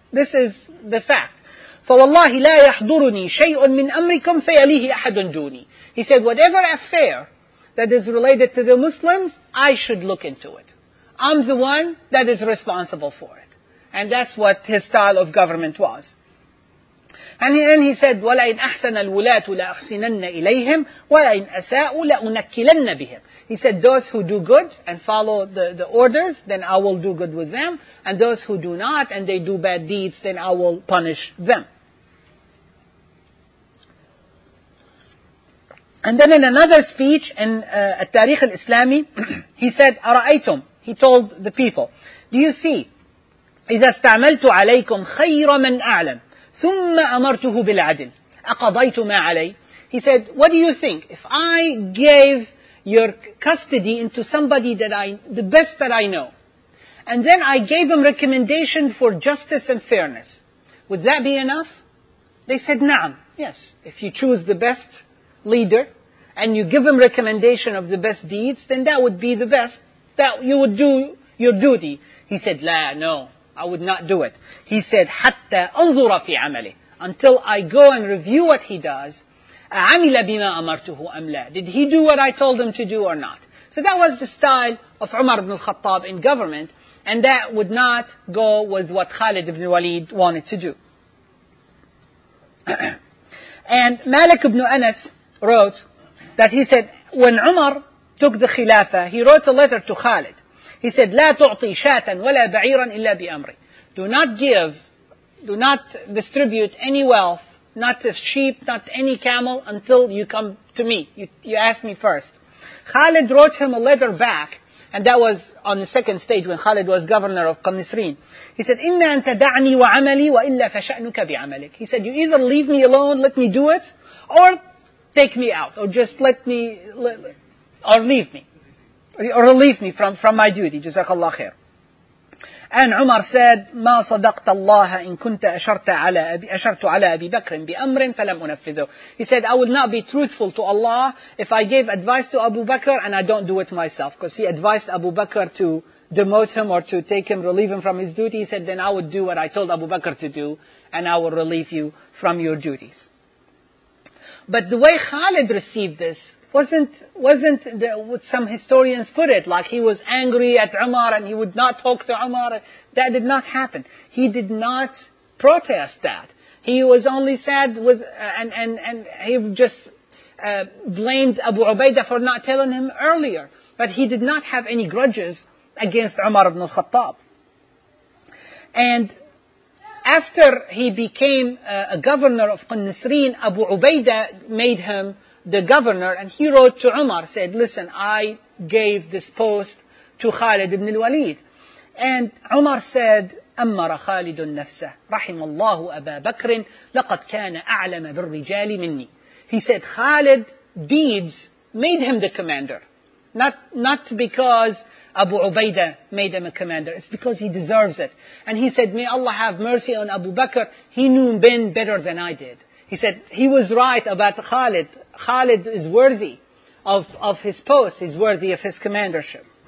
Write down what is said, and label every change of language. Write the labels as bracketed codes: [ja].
[en] This is the fact. [ar] فَوَاللَّهِ لَا يَحْضُرُنِي شَيْءٌ مِّنْ أَمْرِكُمْ فَيَلِيهِ أَحَدٌ دُونِي. [en] He said, whatever affair that is related to the Muslims, I should look into it. I'm the one that is responsible for it. And that's what his style of government was. And then he said, [ar] وَلَئِنْ أَحْسَنَ الْوُلَاةُ لَأَحْسِنَنَّ إِلَيْهِمْ وَلَئِنْ أَسَاءُ لَأُنَكِّلَنَّ بِهِمْ. [en] He said, those who do good and follow the orders, then I will do good with them. And those who do not and they do bad deeds, then I will punish them. And then in another speech in At-Tariq al-Islami, he said, [ar] أَرَأَيْتُمْ. [en] He told the people, do you see, [ar] إِذَا اسْتَعْمَلْتُ عَلَيْكُمْ خَيْرَ مَنْ أَعْلَمْ ثُمَّ أَمَرْتُهُ بِالْعَدْلِ أَقَضَيْتُ مَا عَلَيْهِ. [en] He said, what do you think? If I gave your custody into somebody that I, the best that I know, and then I gave him recommendation for justice and fairness, would that be enough? They said, na'am. Yes, if you choose the best leader and you give him recommendation of the best deeds, then that would be the best, that you would do your duty. He said, la, no, I would not do it. He said, [ar] حتى أنظر في عمله, [en] until I go and review what he does, [ar] أعمل بما أمرته أم لا. [en] Did he do what I told him to do or not? So that was the style of Umar ibn al-Khattab in government, and that would not go with what Khalid ibn Walid wanted to do. And Malik ibn Anas wrote that he said, when Umar took the Khilafah, he wrote a letter to Khalid. [ar] He said, لا تعطي شاتا ولا بعيرا إلا بأمري. [en] Do not give, do not distribute any wealth, not a sheep, not any camel, until you come to me. You ask me first. Khalid wrote him a letter back, and that was on the second stage when Khalid was governor of Qanisrin. [ar] He said, إِنَّا أَن تَدَعْنِي وَعَمَلِي وَإِلَّا فَشَأْنُكَ بِعَمَلِكَ. [en] He said, you either leave me alone, let me do it, or take me out, or just let me, or leave me. Or relieve me from my duty. Jazakallah khair. [ar] And Umar said, ما صدقت الله إن كنت أشرت على أبي بكر بأمر فلم أنفذه. [en] He said, I will not be truthful to Allah if I gave advice to Abu Bakr and I don't do it myself. Because he advised Abu Bakr to demote him or to take him, relieve him from his duty. He said, then I would do what I told Abu Bakr to do and I will relieve you from your duties. But the way Khalid received this wasn't the, what some historians put it, like he was angry at Umar and he would not talk to Umar. That did not happen. He did not protest that. He was only sad with, and he just blamed Abu Ubaidah for not telling him earlier. But he did not have any grudges against Umar ibn al-Khattab. And after he became a governor of Qanisrin, Abu Ubaidah made him the governor, and he wrote to Umar, said, listen, I gave this post to Khalid ibn al-Walid. [ar] And Umar said, أَمَّرَ خَالِدُ النَّفْسَهُ رَحِمَ اللَّهُ أَبَا بَكْرٍ لَقَدْ كَانَ أَعْلَمَ بِالرِّجَالِ مِنِّي. [en] He said, Khalid deeds made him the commander. Not because Abu Ubaidah made him a commander. It's because he deserves it. And he said, may Allah have mercy on Abu Bakr. He knew Ben better than I did. He said, he was right about Khalid. Khalid is worthy of his post. He's worthy of his commandership.